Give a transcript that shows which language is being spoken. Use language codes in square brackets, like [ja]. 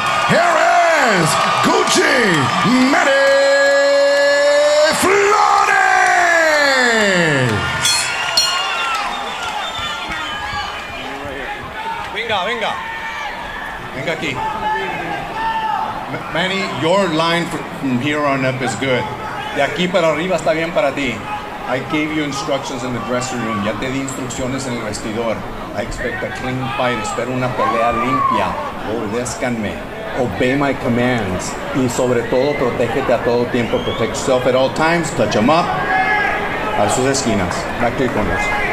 [en] Here is Gucci Manny Flores. [es] Venga. Venga aquí. [en] Manny, your line from here on up is good. [es] De aquí para arriba está bien para ti. [en] I gave you instructions in the dressing room. [es] Ya te di instrucciones en el vestidor. [en] I expect a clean fight. [es] Espero una pelea limpia. Obedézcanme. [en] Obey my commands. [es] Y sobre todo, protégete a todo tiempo. [en] Protect yourself at all times. Touch them up. [es] A sus esquinas. [en] Back to your corners.